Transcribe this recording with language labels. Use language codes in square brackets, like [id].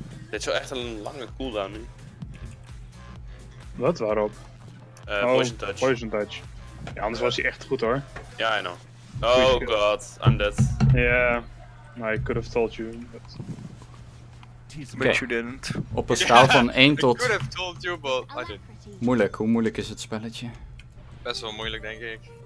[nl] Dit is wel echt een lange cooldown nu. Wat, waarop? Poison touch. Ja, anders was hij echt goed hoor. [en] Ja, yeah, I know. Oh god, I'm dead. Yeah, I could have told you, but... Okay. But you didn't. [nl] Op een schaal van 1 tot... [en] I could have told you, but I didn't. [nl] Moeilijk, hoe moeilijk is het spelletje? Best wel moeilijk, denk ik.